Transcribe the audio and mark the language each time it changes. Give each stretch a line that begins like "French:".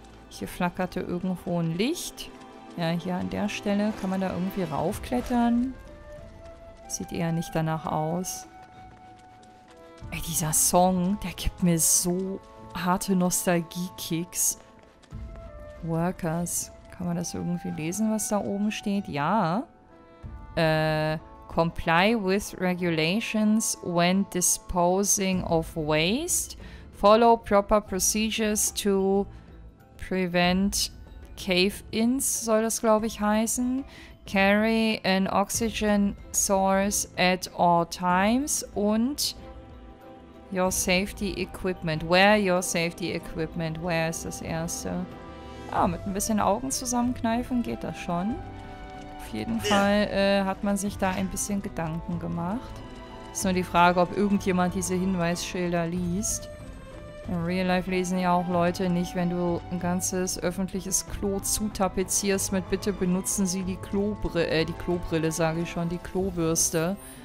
German: Hier flackerte irgendwo ein Licht. Ja, hier an der Stelle kann man da irgendwie raufklettern. Sieht eher nicht danach aus. Ey, dieser Song, der gibt mir so harte Nostalgie-Kicks. Workers. Kann man das irgendwie lesen, was da oben steht? Ja.
English: Comply with regulations when disposing of waste. Follow proper procedures to prevent...
German: Cave-ins soll das, glaube ich, heißen.
English: Carry an oxygen source at all times.
German: Und
English: your safety equipment. Wear your safety equipment. Where
German: ist das erste? Ah, mit ein bisschen Augen zusammenkneifen geht das schon. Auf jeden Fall hat man sich da ein bisschen Gedanken gemacht. Ist nur die Frage, ob irgendjemand diese Hinweisschilder liest. In Real Life lesen ja auch Leute nicht, wenn du ein ganzes öffentliches Klo zutapezierst mit bitte benutzen Sie die Klobrille, sage ich schon, die Klobürste.